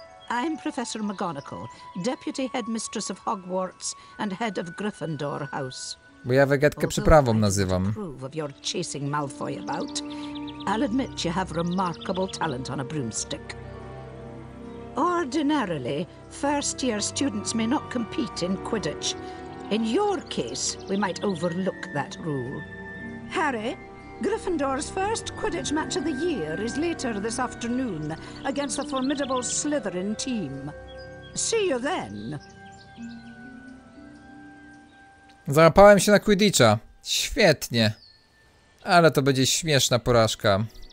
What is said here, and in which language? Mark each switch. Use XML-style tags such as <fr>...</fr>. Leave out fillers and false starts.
<en>I'm Professor McGonagall, deputy headmistress of Hogwarts and head of Gryffindor House.</en> <pl>Bo ja wegetkę przyprawą nazywam.</pl> <en>Chasing Malfoy about. I'll admit you have remarkable talent on a broomstick. Ordinarily, first year students may not compete in Quidditch. In your case, we might overlook that rule. Harry, Gryffindor's first Quidditch match of the year is later this afternoon against the formidable Slytherin team. See you then.</en> <pl>Załapałem się na Quidditcha. Świetnie. Ale to będzie śmieszna porażka.</pl>